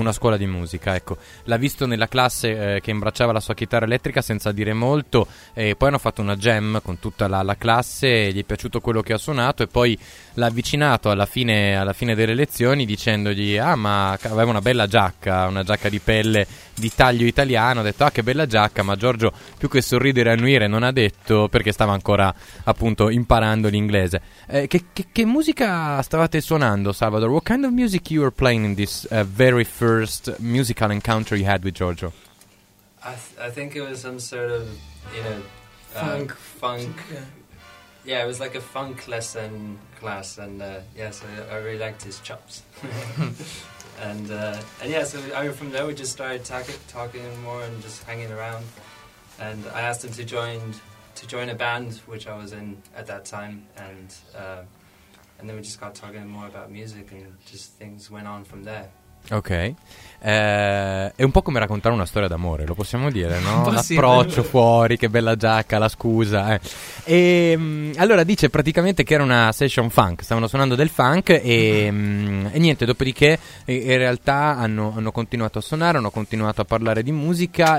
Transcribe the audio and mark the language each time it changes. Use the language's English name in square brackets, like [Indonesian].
[Italian] Una scuola di musica, ecco. L'ha visto nella classe che imbracciava la sua chitarra elettrica senza dire molto, e poi hanno fatto una jam con tutta la classe, gli è piaciuto quello che ha suonato, e poi l'ha avvicinato alla fine delle lezioni dicendogli, ah, ma aveva una giacca di pelle di taglio italiano, ha detto, ah, che bella giacca. Ma Giorgio, più che sorridere e annuire, non ha detto, perché stava ancora appunto imparando l'inglese. Che musica stavate suonando, Salvador? [English] What kind of music you were playing in this very first musical encounter you had with Giorgio? I think it was some sort of, funk. Yeah, it was like a funk lesson class, and so I really liked his chops. And from there we just started talking more and just hanging around. And I asked him to join a band, which I was in at that time. And then we just got talking more about music, and just things went on from there. [Italian] Ok, è un po' come raccontare una storia d'amore, lo possiamo dire, no? L'approccio fuori, che bella giacca, la scusa, eh. E allora dice praticamente che era una session funk, stavano suonando del funk, e niente, dopodiché in realtà hanno continuato a suonare, hanno continuato a parlare di musica.